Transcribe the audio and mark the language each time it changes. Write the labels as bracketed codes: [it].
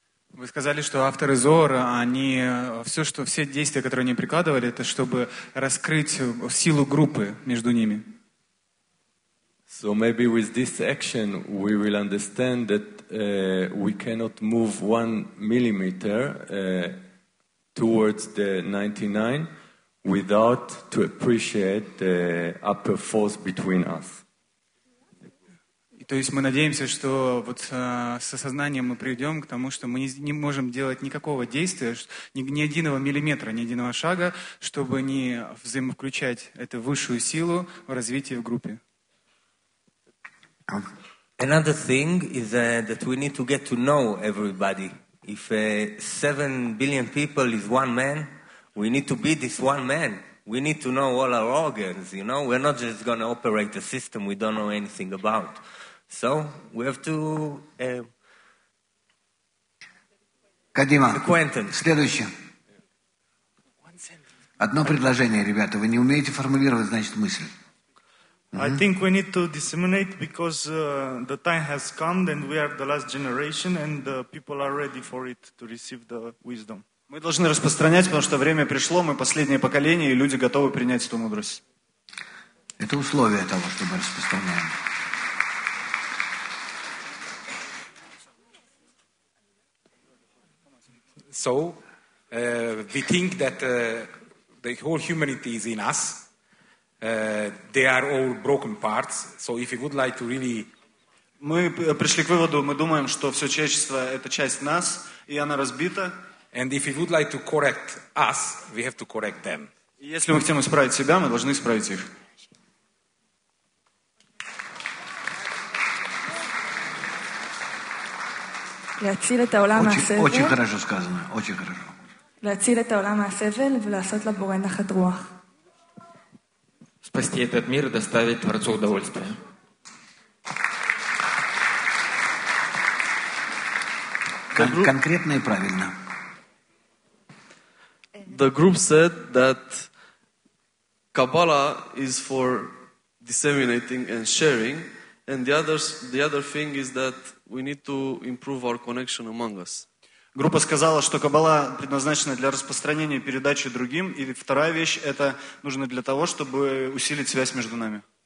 [ru] Вы сказали, что авторы Зоара, они все, что все действия, которые они прикладывали, это чтобы раскрыть силу группы между ними. [en] So maybe with this action we will understand that we cannot move one millimeter towards the 99 without to appreciate the upper force between us. [ru] То есть мы надеемся, что вот с осознанием мы придем к тому, что мы не можем делать никакого действия, ни единого миллиметра, ни единого шага, чтобы не взаимовключать эту высшую силу в развитии в группе. [en] Another thing is that we need to get to know everybody. If 7 billion people is one man, we need to be this one man. We need to know all our organs, you know? We're not just going to operate a system we don't know anything about. So we have to [ru] Кадима, следующее. Одно предложение, ребята, вы не умеете формулировать, значит, мысль. [en] I think we need to disseminate because the time has come and we are the last generation and the people are ready for it to receive the wisdom. [ru] Мы должны распространять, потому что время пришло, мы последнее поколение и люди готовы принять эту мудрость. Это условие того, чтобы распространять. [en] So, we think that the whole humanity is in us. They are all broken parts. So, if you would like to really... [ru] Мы пришли к выводу, мы думаем, что все человечество – это часть нас, и она разбита. [en] And if you would like to correct us, we have to correct them. [ru] Если мы хотим исправить себя, мы должны исправить их. Очень хорошо сказано, очень хорошо. Спасти этот мир и доставить Творцу удовольствие. Конкретно и правильно. [en] The group said that Kabbalah is for disseminating and sharing, and the other thing is that we need to improve our connection among us. [ru] Группа сказала, что Каббала предназначена для распространения и передачи другим, и вторая вещь – это нужно для того, чтобы усилить связь между нами.